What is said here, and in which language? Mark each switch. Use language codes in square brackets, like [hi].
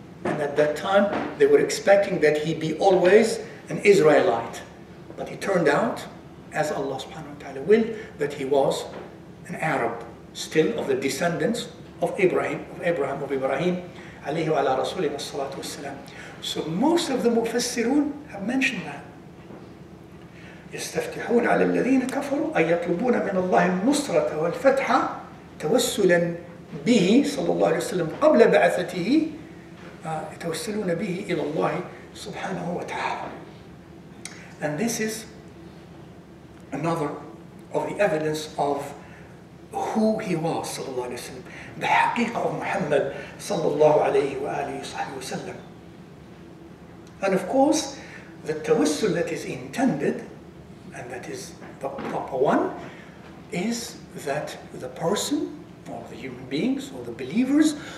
[en] And at that time, they were expecting that he be always an Israelite. But it turned out, as Allah subhanahu wa ta'ala will, that he was an Arab, still of the descendants of Ibrahim, alayhi wa ala rasulina salatu wassalam. So most of the mufassirun have mentioned that. [ar] يستفتحون على الذين كفروا أن يطلبون من الله النصرة والفتح توسلا به صلى الله عليه وسلم قبل بعثته يتوسلون به إلى الله سبحانه وتعالى. [en] And this is another of the evidence of who he was صلى الله عليه وسلم, the حقيقة of محمد صلى الله عليه وآله صحيح وسلم. And of course the توسل that is intended, and that is the proper one, is that the person, or the human beings, or the believers,